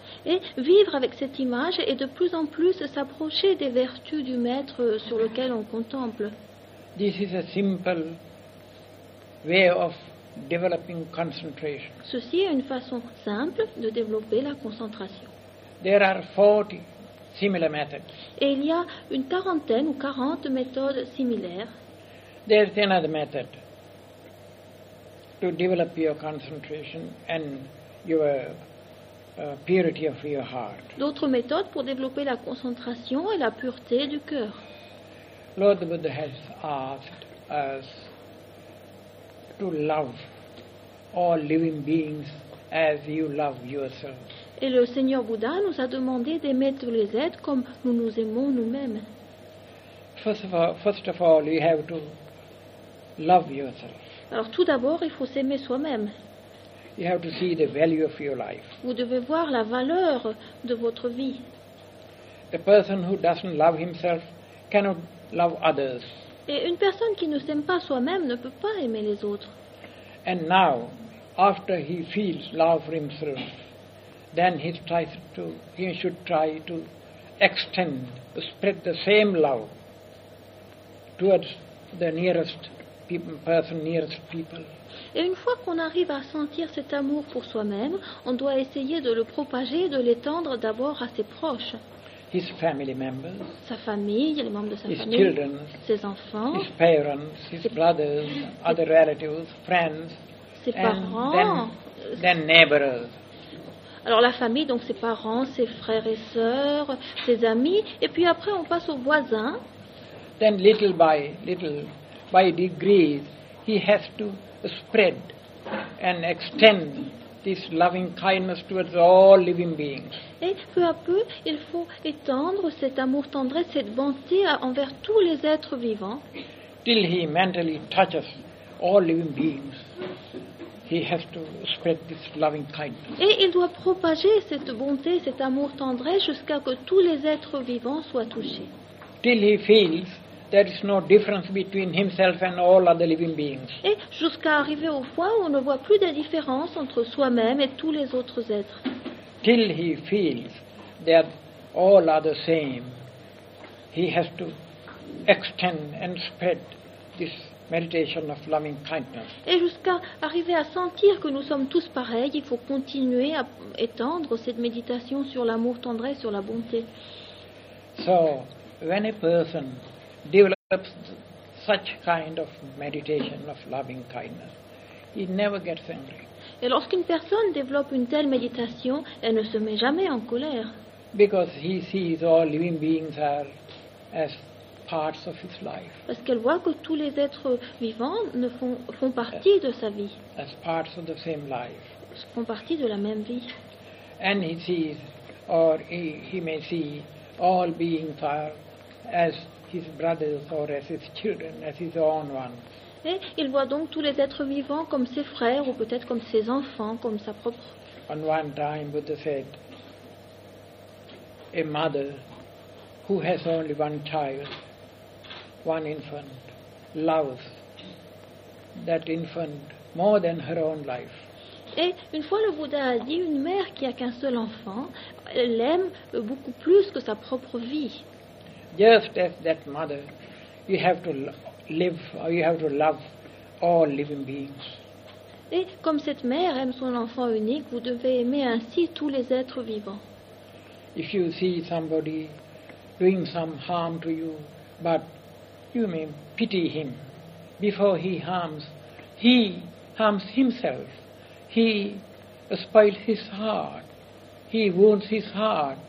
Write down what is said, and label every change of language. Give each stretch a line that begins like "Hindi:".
French: Et vivre avec cette image et de plus en plus s'approcher des vertus du maître sur lequel on contemple.
English: This is a simple way of developing concentration.
French: Ceci est une façon simple de développer la concentration.
English: There are 40 similar methods.
French: Et il y a une quarantaine ou 40 méthodes similaires.
English: There's another method to develop your concentration and your purity of your heart.
French: D'autres méthodes pour développer la concentration et la pureté du cœur.
English: Lord Buddha has asked us to love all living beings as you love yourself.
French: Et le Seigneur Bouddha nous a demandé d'aimer tous les êtres comme nous nous aimons nous-mêmes.
English: First of all, you have to love yourself.
French: Alors tout d'abord, il faut s'aimer soi-même.
English: You have to see the value of your life.
French: Vous devez voir la valeur de votre vie.
English: A person who doesn't love himself cannot love others.
French: Et une personne qui ne s'aime pas soi-même ne peut pas aimer les autres.
English: And now, after he feels love for himself, then he should try to extend, to spread the same love towards the nearest person, nearest people.
French: Et une fois qu'on arrive à sentir cet amour pour soi-même, on doit essayer de le propager, de l'étendre d'abord à ses proches.
English: His family members,
French: sa famille, les membres de sa
English: his
French: famille,
English: children,
French: ses enfants,
English: his parents, his brothers, other relatives, friends,
French: ses parents,
English: then neighbors.
French: Alors la famille, donc ses parents, ses frères et sœurs, ses amis, et puis après on passe aux voisins.
English: Then little by degrees, he has to spread and extend this loving kindness towards all living beings.
French: Et peu à peu, il faut étendre cet amour tendresse, cette bonté envers tous les êtres vivants.
English: Till he mentally touches all living beings, he has to spread this loving kindness.
French: Et il doit propager cette bonté, cet amour tendresse jusqu'à que tous les êtres vivants soient touchés.
English: Till he feels there is no difference between himself and all other living beings.
French: Et jusqu'à arriver au point où on ne voit plus de différence entre soi-même et tous les autres êtres.
English: Till he feels that all are the same, he has to extend and spread this meditation of loving kindness.
French: Et jusqu'à arriver à sentir que nous sommes tous pareils, il faut continuer à étendre cette méditation sur l'amour tendresse, sur la bonté.
English: So, when a person develops such kind of meditation of loving kindness, he never gets angry.
French: Et lorsqu'une personne développe une telle méditation, elle ne se met jamais en colère.
English: Because he sees all living beings are as parts of his life.
French: Parce qu'elle voit que tous les êtres vivants ne font partie de sa vie.
English: As parts of the same life.
French: Font partie de la même vie.
English: And he sees, or he may see, all beings are as his brothers or as his children, as his own ones.
French: Et il voit donc tous les êtres vivants comme ses frères ou peut-être comme ses enfants, comme sa propre.
English: On one time, Buddha said, a mother who has only one child, one infant, loves that infant more than her own life.
French: Et une fois le Bouddha a dit, une mère qui a qu'un seul enfant, l'aime beaucoup plus que sa propre vie.
English: Just as that mother, you have to live, or you have to love all living beings.
French: Et comme cette mère aime son enfant unique, vous devez aimer ainsi tous les êtres vivants.
English: If you see somebody doing some harm to you, but you may pity him before he harms himself. He spoils his heart. He wounds his heart.